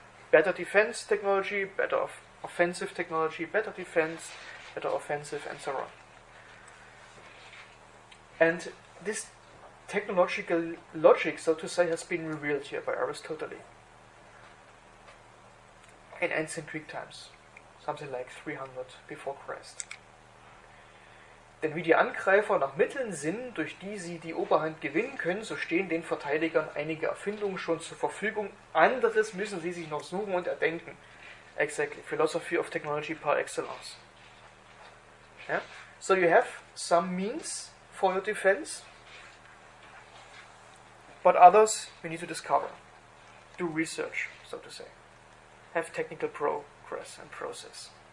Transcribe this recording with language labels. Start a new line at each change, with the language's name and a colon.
English: Better defense technology, better offensive technology, better defense, better offensive, and so on. And this technological logic, so to say, has been revealed here by Aristotle in ancient Greek times, something like 300 before Christ.
German: Denn wie die Angreifer nach Mitteln sinnen, durch die sie die Oberhand gewinnen können, so stehen den Verteidigern einige Erfindungen schon zur Verfügung. Anderes müssen sie sich noch suchen und erdenken.
English: Exactly. Philosophy of technology par excellence. Ja? So you have some means for your defense, but others we need to discover. Do research, so to say. Have technical progress and process.